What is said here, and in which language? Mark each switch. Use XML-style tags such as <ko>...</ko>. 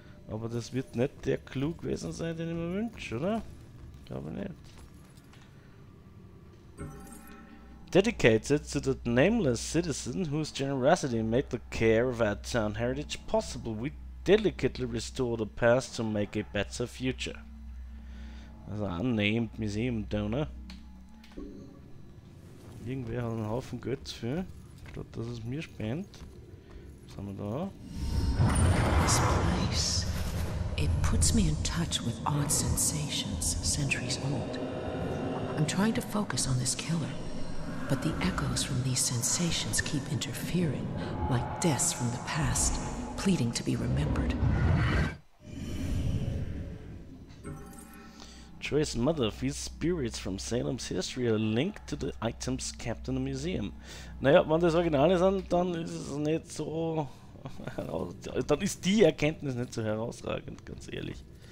<de>Aber das wird nicht der Clou gewesen sein, den ich mir wünsche, oder? Glaube nicht.</de> <en>dedicated to the nameless citizen whose generosity made the care of our town heritage possible, we delicately restore the past to make a better future. As an unnamed museum donor.</en> <de>Irgendwer hat einen Haufen Geld dafür. Ich glaube, dass es mir spendet. Was haben wir da?</de> <en>This place. It puts me in touch with odd sensations centuries old. I'm trying to focus on this killer, but the echoes from these sensations keep interfering, like deaths from the past, pleading to be remembered. Joy's mother feels spirits from Salem's history are linked to the items kept in the museum.</en> <de>Naja, wenn das Originale sind, dann ist es nicht so... dann ist die Erkenntnis nicht so herausragend, ganz ehrlich.</de>